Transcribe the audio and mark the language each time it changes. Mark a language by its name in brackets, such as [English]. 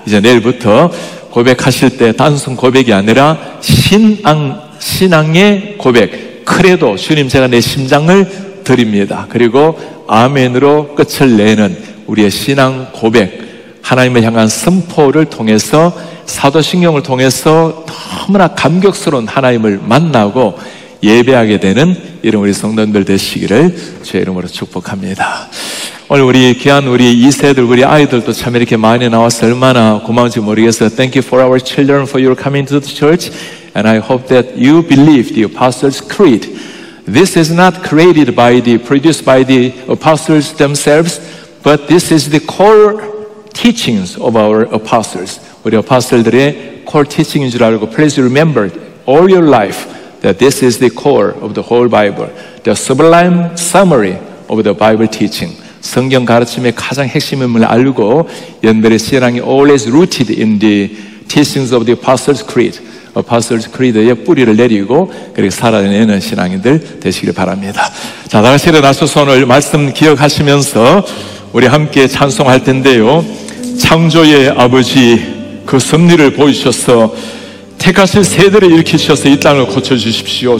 [Korean] 이제 내일부터 고백하실 때 단순 고백이 아니라 신앙의 고백 크레도 주님 제가 내 심장을 드립니다 그리고 아멘으로 끝을 내는 우리의 신앙 고백 하나님을 향한 선포를 통해서 사도신경을 통해서 너무나 감격스러운 하나님을 만나고 예배하게 되는 이런 우리 성도들 되시기를 주의 이름으로 축복합니다. 오늘 우리 귀한 우리 2세들 우리 아이들도 참 이렇게 많이 나와서 얼마나 고마운지 모르겠어요. [English] Thank you for our children for your coming to the church. And I hope that you believe the Apostles' Creed. This is not created by the, produced by the Apostles themselves, but this is the core teachings of our Apostles. [Korean] 우리 Apostles들의 core teachings인 줄 알고 [English] please remember all your life that this is the core of the whole Bible. [Korean] The sublime summary of the Bible teaching. 성경 가르침의 가장 핵심임을 알고 연대의 신앙이 [English] always rooted in the teachings of the Apostles' Creed. [Korean] Apostles' Creed의 뿌리를 내리고 그렇게 살아내는 신앙인들 되시길 바랍니다. 자, 다 같이 일어나셔서 오늘 말씀 기억하시면서 우리 함께 찬송할 텐데요. 창조의 아버지 그 섭리를 보이셔서 택하신 세대를 일으키셔서 이 땅을 고쳐주십시오.